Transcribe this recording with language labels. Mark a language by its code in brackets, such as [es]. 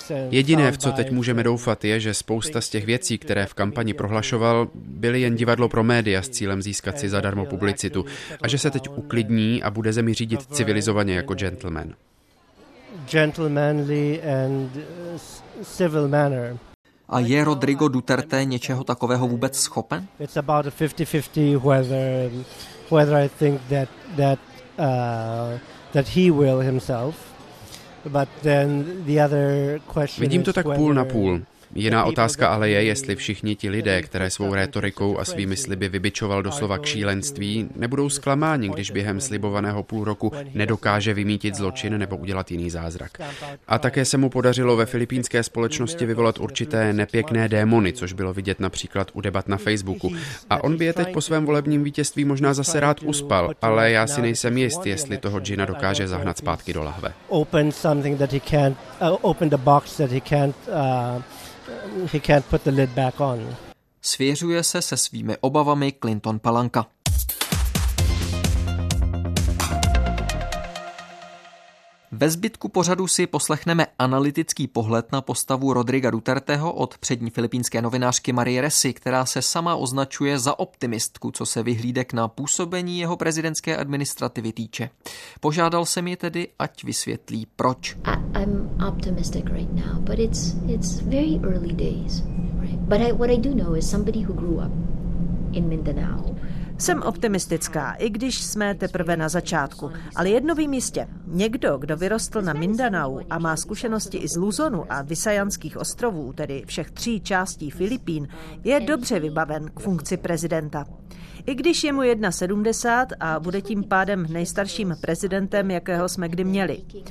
[cs] Jediné, v co teď můžeme doufat, je, že spousta z těch věcí, které v kampani prohlašoval, byly jen divadlo pro média s cílem získat si zadarmo publicitu a že se teď uklidní a bude zemi řídit civilizovaně jako gentleman. A je Rodrigo Duterte něčeho takového vůbec schopen? [en] It's about a 50-50 whether I think that he will himself. [cs] Vidím to tak půl na půl. Jiná otázka ale je, jestli všichni ti lidé, které svou rétorikou a svými sliby vybičoval doslova k šílenství, nebudou zklamáni, když během slibovaného půl roku nedokáže vymítit zločin nebo udělat jiný zázrak. A také se mu podařilo ve filipínské společnosti vyvolat určité nepěkné démony, což bylo vidět například u debat na Facebooku. A on by je teď po svém volebním vítězství možná zase rád uspal, ale já si nejsem jist, jestli toho džina dokáže zahnat zpátky do lahve. Svěřuje se svými obavami Clinton Palanka. Ve zbytku pořadu si poslechneme analytický pohled na postavu Rodriga Duterteho od přední filipínské novinářky Marie Resi, která se sama označuje za optimistku, co se vyhlídek na působení jeho prezidentské administrativy týče. Požádal jsem ji tedy, ať vysvětlí proč. [en] I'm optimistic right now, but it's very early days, right? But what I do know is somebody who grew up in Mindanao. [cs] Jsem optimistická, i když jsme teprve na začátku. Ale jedno vím jistě. Někdo, kdo vyrostl na Mindanao a má zkušenosti i z Luzonu a Visajanských ostrovů, tedy všech tří částí Filipín, je dobře vybaven k funkci prezidenta. I když je mu 71 a bude tím pádem nejstarším prezidentem, jakého jsme kdy měli.